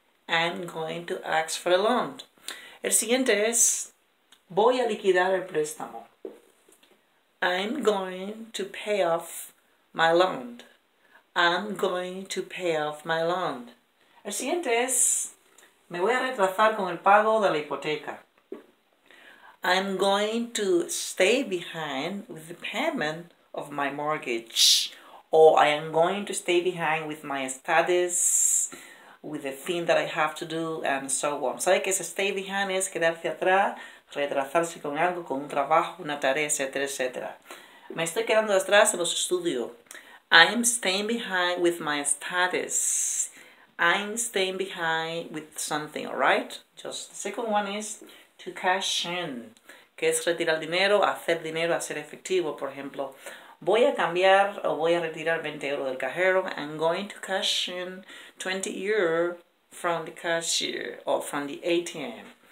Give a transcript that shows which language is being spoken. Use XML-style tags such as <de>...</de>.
<en>I'm going to ask for a loan.</en> <es>El siguiente es, voy a liquidar el préstamo.</es> <en>I'm going to pay off my loan. I'm going to pay off my loan.</en> <es>El siguiente es, me voy a retrasar con el pago de la hipoteca.</es> <en>I'm going to stay behind with the payment of my mortgage. Or I am going to stay behind with my studies, with the thing that I have to do, and so on.</en> <es>¿Sabe que ese</es> <en>stay behind</en> <es>es quedarse atrás, retrasarse con algo, con un trabajo, una tarea, etc., etc.? Me estoy quedando atrás en los estudios.</es> <en>I'm staying behind with my status. I'm staying behind with something, alright? Just the second one is to cash in.</en> <es>Que es retirar dinero, hacer efectivo. Por ejemplo, voy a cambiar o voy a retirar 20 euros del cajero.</es> <en>I'm going to cash in 20 euros from the cashier or from the ATM.</en>